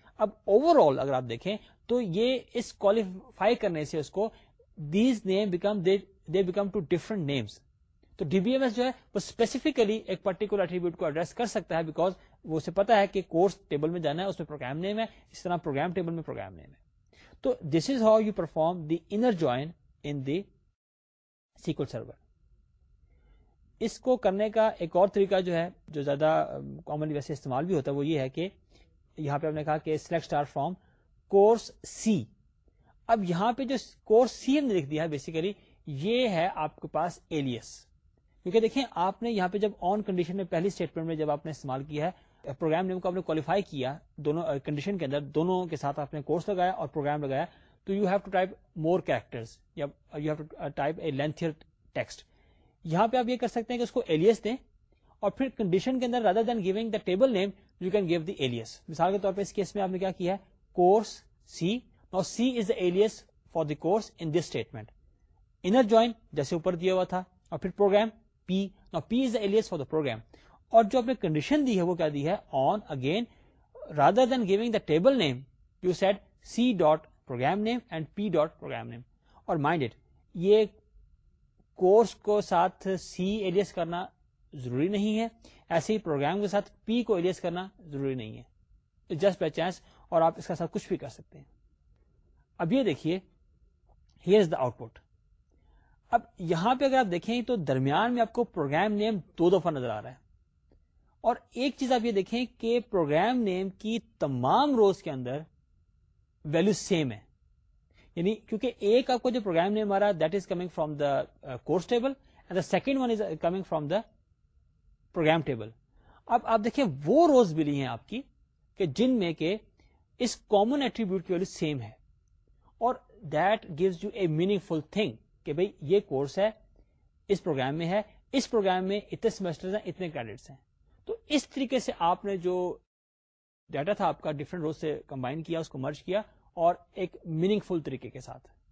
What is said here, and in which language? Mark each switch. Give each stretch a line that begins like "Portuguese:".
Urdu: اب over all اگر آپ دیکھیں تو یہ اس کوالیفائی کرنے سے اس کو
English: These name become they become to different names.
Urdu: تو ڈی بی ایم ایس جو ہے وہ اسپیسیفکلی ایک پرٹیکولر ایٹریبیوٹ کو ایڈریس کر سکتا ہے بیکاز وہ اسے پتا ہے کہ کورس ٹیبل میں جانا ہے, اس میں پروگرام نیم ہے, اس طرح پروگرام ٹیبل میں پروگرام نیم ہے.
English: تو this is how you perform the inner join in the SQL server.
Urdu: اس کو کرنے کا ایک اور طریقہ جو ہے جو زیادہ کامنلی ویسے استعمال بھی ہوتا ہے, وہ یہ ہے کہ یہاں پہ ہم نے کہا کہ select star from course C. اب یہاں پہ جو کورس سی ہم نے لکھ دیا ہے بیسیکلی یہ ہے آپ کے پاس ایلیس. کیونکہ دیکھیں آپ نے یہاں پہ جب آن کنڈیشن میں پہلی اسٹیٹمنٹ میں جب آپ نے استعمال کیا ہے پروگرام نیم کو, آپ نے کوالیفائی کیا دونوں کنڈیشن کے اندر, دونوں کے ساتھ آپ نے کورس لگایا اور پروگرام لگایا, تو
English: You have to type more characters یا you have to type a lengthier text.
Urdu: یہاں پہ آپ یہ کر سکتے ہیں کہ اس کو ایلیس دیں اور پھر کنڈیشن کے اندر
English: Rather than giving the table name you can give the alias.
Urdu: مثال کے طور پہ اس کیس میں آپ نے کیا کیا ہے, course C.
English: Now C is the alias for the course in this statement.
Urdu: Inner join جیسے اوپر دیا ہوا تھا, اور پھر programme P. Now P is the alias for the programme. اور جو آپ نے کنڈیشن دی ہے
English: وہ کیا دی ہے, on again rather than giving the table name you set C dot program name and P dot program name.
Urdu: اور مائنڈ اٹ, یہ کورس کو ساتھ سی ایلیس کرنا ضروری نہیں ہے, ایسے ہی پروگرام کے ساتھ پی کو ایلیس کرنا ضروری نہیں ہے,
English: just by chance,
Urdu: اور آپ اس کا ساتھ کچھ بھی کر سکتے ہیں. اب یہ دیکھیے,
English: Here is the output.
Urdu: اب یہاں پہ اگر آپ دیکھیں تو درمیان میں آپ کو پروگرام نیم دو دفعہ نظر آ رہا ہے, اور ایک چیز آپ یہ دیکھیں کہ پروگرام نیم کی تمام روز کے اندر ویلو سیم ہے. یعنی کیونکہ ایک آپ کو جو پروگرام نیم آ رہا ہے
English: That is coming from the course table, and the second one is coming from the program table.
Urdu: اب آپ دیکھیں وہ روز ملی ہیں آپ کی کہ جن میں کہ اس کامن ایٹریبیوٹ کی ویلو سیم ہے, اور
English: that gives you a meaningful thing
Urdu: کہ بھئی یہ کورس ہے, اس پروگرام میں ہے, اس پروگرام میں اتنے سیمسٹرز ہیں, اتنے کریڈٹس ہیں. تو اس طریقے سے آپ نے جو ڈیٹا تھا آپ کا ڈفرنٹ روز سے کمبائن کیا, اس کو مرج کیا, اور ایک میننگ فل طریقے کے ساتھ.